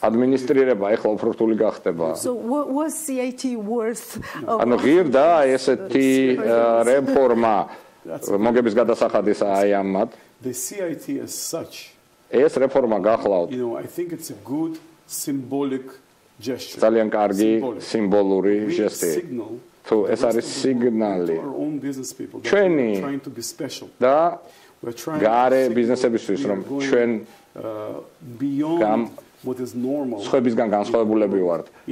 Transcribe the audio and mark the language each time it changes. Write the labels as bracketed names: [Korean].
[Georgian] ადმინისტრირება ეხლა უფრო რთული გახდება [English] so what was CIT worth [Georgian] ანუ ღირდა ესეთი რეფორმა მოგების გადასახადის აი ამათ [English] the CIT as such [Georgian] ეს რეფორმა გახლავთ [English] you know I think it's a good symbolic gesture [Georgian] ძალიან კარგი სიმბოლური ჟესტი თუ ეს არის სიგნალი ჩვენი და გარე ბიზნესებისთვის რომ ჩვენ [English] beyond what is normal [Georgian] სხვებისგან განსხვავებულები ვართ